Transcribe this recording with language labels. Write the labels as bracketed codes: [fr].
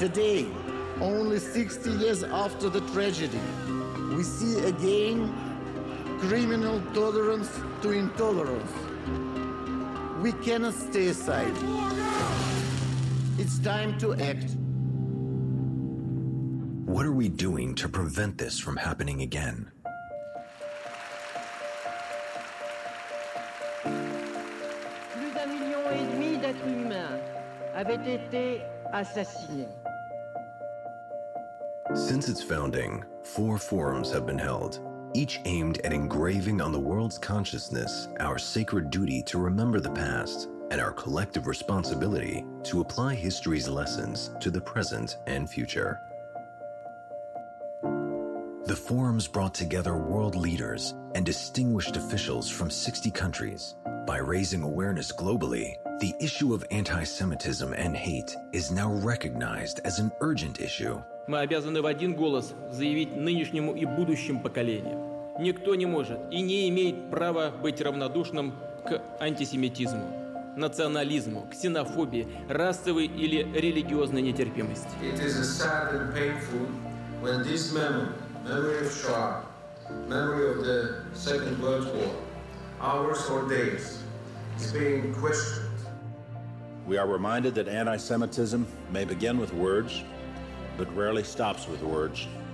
[en] Today, only 60 years after the tragedy, we see again criminal tolerance to intolerance. We cannot stay aside. It's time to act. What are we doing to prevent this from happening again? [fr] Plus d'un million et demi d'êtres humains avaient été assassinés. [en] Since its founding, four forums have been held, each aimed at engraving on the world's consciousness our sacred duty to remember the past and our collective responsibility to apply history's lessons to the present and future. The forums brought together world leaders and distinguished officials from 60 countries. By raising awareness globally, the issue of anti-Semitism and hate is now recognized as an urgent issue. [ru] Мы обязаны в один голос заявить нынешнему и будущим поколениям. Никто не может и не имеет права быть равнодушным к антисемитизму, национализму, ксенофобии, расовой или религиозной нетерпимости. [en] It is a sad and painful when this memory of Shoah, memory of the Second World War, hours or days, is being questioned. We are reminded that anti-Semitism may begin with words, but rarely stops with words.